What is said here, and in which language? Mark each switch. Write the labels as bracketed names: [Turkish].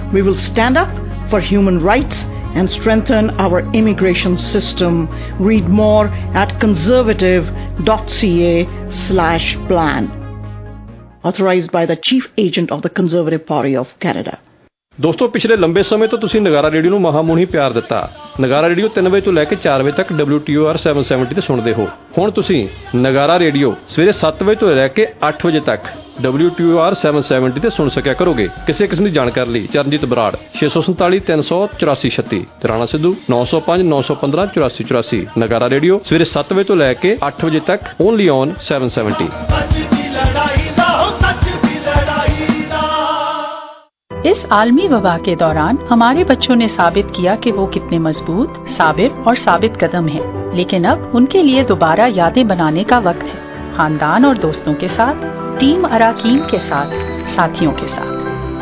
[English] We will stand up for human rights and strengthen our immigration system. Read more at conservative.ca/plan. Authorized by the Chief Agent of the Conservative Party of Canada. [Punjabi] ਦੋਸਤੋ ਪਿਛਲੇ ਲੰਬੇ ਸਮੇਂ ਤੋਂ ਤੁਸੀਂ ਨਗਾਰਾ radio ਨੂੰ ਮਹਾਮੂਹੀ ਪਿਆਰ ਦਿੱਤਾ। ਨਗਾਰਾ radio 3 ਵਜੇ ਤੋਂ ਲੈ ਕੇ 4 ਵਜੇ ਤੱਕ WTOR 770 ਤੇ ਸੁਣਦੇ ਹੋ। ਹੁਣ ਤੁਸੀਂ ਨਗਾਰਾ ਰੇਡੀਓ ਸਵੇਰੇ 7 ਵਜੇ ਤੋਂ ਲੈ ਕੇ 8 ਵਜੇ ਤੱਕ WTOR 770 ਤੇ ਸੁਣ ਸਕਿਆ ਕਰੋਗੇ। ਕਿਸੇ ਕਿਸਮ ਦੀ ਜਾਣਕਾਰੀ ਲਈ ਚਰਨਜੀਤ ਬਰਾੜ 647-384-36-36 ਤੇ ਰਾਣਾ ਸਿੱਧੂ 905-915-84-84। ਨਗਾਰਾ ਰੇਡੀਓ ਸਵੇਰੇ 7 ਵਜੇ ਤੋਂ ਲੈ ਕੇ 8 ਵਜੇ ਤੱਕ ਓਨਲੀ ਔਨ 770। [Hindi] इस आलमी वबा के दौरान हमारे बच्चों ने साबित किया कि वो कितने मजबूत, साबिर और साबित कदम हैं। लेकिन अब उनके लिए दोबारा यादें बनाने का वक्त है, खानदान और दोस्तों के साथ, टीम अराकीन के साथ, साथियों के साथ।